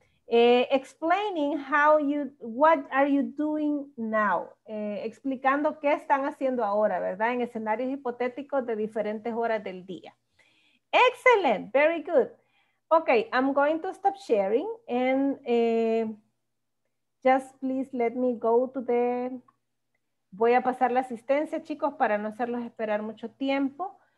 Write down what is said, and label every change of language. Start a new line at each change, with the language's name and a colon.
English: Explaining how you, what are you doing now?
Spanish: Explicando qué están haciendo ahora, ¿verdad? En escenarios hipotéticos de diferentes horas del día.
English: Excellent. Very good. Okay, I'm going to stop sharing and just please let me go to the...
Spanish: Voy a pasar la asistencia, chicos, para no hacerlos esperar mucho tiempo.